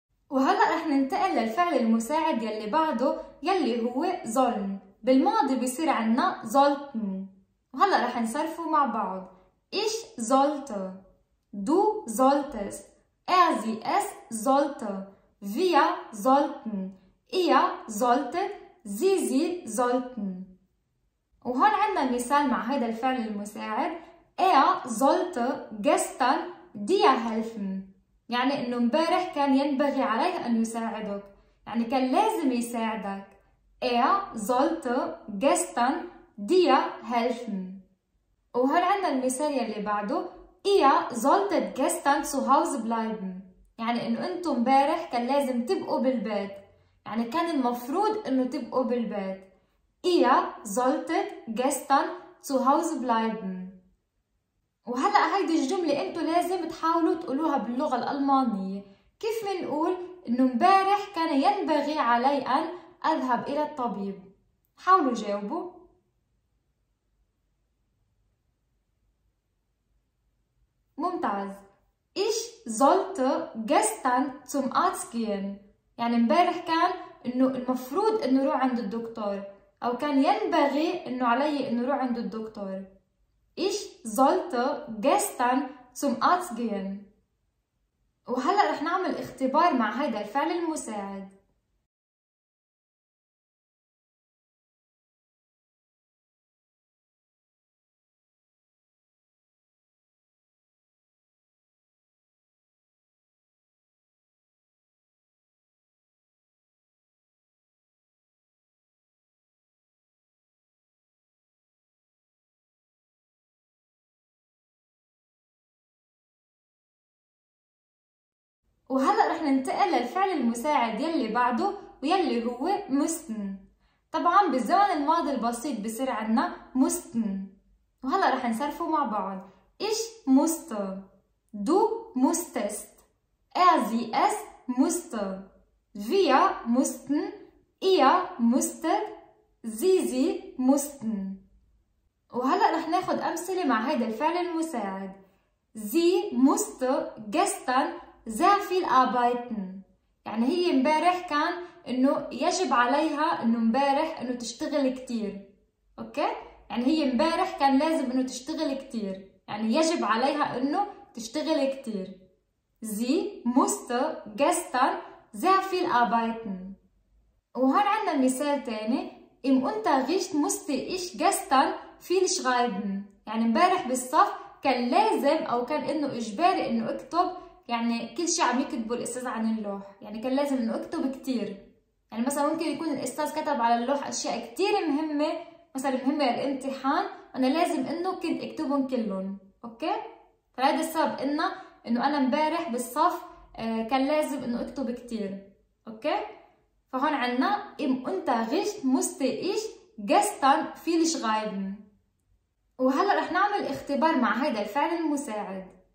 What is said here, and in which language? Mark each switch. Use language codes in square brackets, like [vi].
[ar] وهلا رح ننتقل للفعل المساعد يلي بعده يلي هو ظلم. بالماضي بصير عنا sollten، وهلا رح نصرفه مع بعض. [de] ich sollte، du solltest، er sie es sollte، wir sollten، ihr sollte، sie sie sollten. [ar] وهون عنا مثال مع هيدا الفعل المساعد، [de] er sollte gestern dir helfen، [ar] يعني انه امبارح كان ينبغي عليه ان يساعدك، يعني كان لازم يساعدك. [de] Er sollte gestern dir helfen. [ar] وهل عندنا المثال يلي بعده، [de] Ihr solltet gestern zu Hause bleiben، [ar] يعني انه انتم امبارح كان لازم تبقوا بالبيت، يعني كان المفروض انه تبقوا بالبيت. [de] Ihr solltet gestern zu Hause bleiben. [ar] وهلا هيدي الجمله انتم لازم تحاولوا تقولوها باللغه الالمانيه، كيف بنقول انه امبارح كان ينبغي علي ان أذهب إلى الطبيب؟ حاولوا جاوبوا. ممتاز، [de] ich sollte gestern zum Arzt gehen، [ar] يعني امبارح كان انه المفروض انه روح عند الدكتور، او كان ينبغي انه علي انه روح عند الدكتور. [de] ich sollte gestern zum Arzt gehen. [ar] وهلا رح نعمل اختبار مع هيدا الفعل المساعد. وهلا رح ننتقل للفعل المساعد يلي بعده ويلي هو مستن. طبعا بالزمن الماضي البسيط بصير عنا مستن، وهلا رح نصرفه مع بعض. [de] ich musste، du musstest، er sie es musste، wir mussten، ihr musstet، sie sie mussten. [ar] وهلا رح ناخد امثله مع هيدا الفعل المساعد. [de] sie musste gestern sehr viel arbeiten، [ar] يعني هي امبارح كان انه يجب عليها انه امبارح انه تشتغل كثير، اوكي؟ يعني هي امبارح كان لازم انه تشتغل كثير، يعني يجب عليها انه تشتغل كثير. [de] Sie musste gestern sehr viel arbeiten. [ar] وهون عندنا مثال تاني. [de] Im Unterricht musste ich gestern viel schreiben. [ar] يعني امبارح بالصف كان لازم او كان انه اجباري انه اكتب يعني كل شيء عم يكتبه الاستاذ عن اللوح. يعني كان لازم انه اكتب كتير. يعني مثلا ممكن يكون الاستاذ كتب على اللوح اشياء كتير مهمة. مثلا مهمة للامتحان. انا لازم انه كنت اكتبهم كلهم. اوكي؟ فهذا السبب انه انا امبارح بالصف كان لازم انه اكتب كتير. اوكي؟ فهون عنا [de] im Unterricht musste ich gestern viel schreiben. [ar] وهلا رح نعمل اختبار مع هيدا الفعل المساعد.